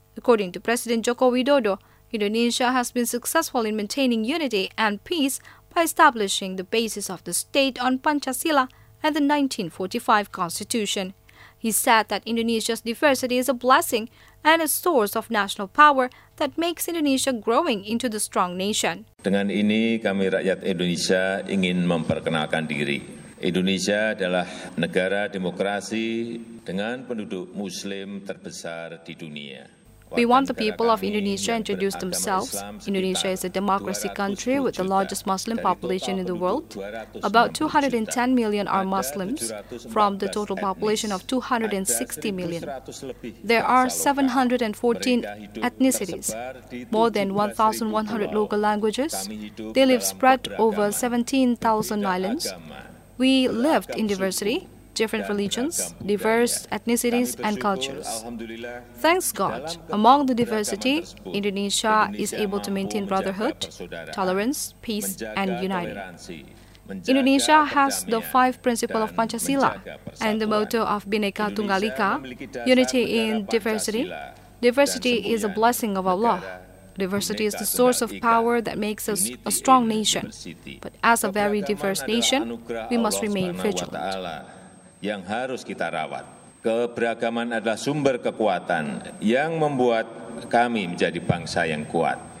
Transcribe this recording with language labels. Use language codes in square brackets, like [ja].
[en] According to President Joko Widodo, Indonesia has been successful in maintaining unity and peace by establishing the basis of the state on Pancasila and the 1945 Constitution. He said that Indonesia's diversity is a blessing and a source of national power that makes Indonesia growing into the strong nation. [id] Dengan ini kami rakyat Indonesia ingin memperkenalkan diri. Indonesia adalah negara demokrasi dengan penduduk muslim terbesar di dunia. [en] We want the people of Indonesia to introduce themselves. Indonesia is a democracy country with the largest Muslim population in the world. About 210 million are Muslims from the total population of 260 million. There are 714 ethnicities, more than 1,100 local languages. They live spread over 17,000 islands. We lived in diversity. Different religions, diverse ethnicities and cultures. Thanks God, among the diversity, Indonesia is able to maintain brotherhood, tolerance, peace and unity. Indonesia has the five principles of Pancasila and the motto of Bhinneka Tunggal Ika, unity in diversity. Diversity is a blessing of Allah. Diversity is the source of power that makes us a strong nation. But as a very diverse nation, we must remain vigilant. [id] Yang harus kita rawat. Keberagaman adalah sumber kekuatan yang membuat kami menjadi bangsa yang kuat.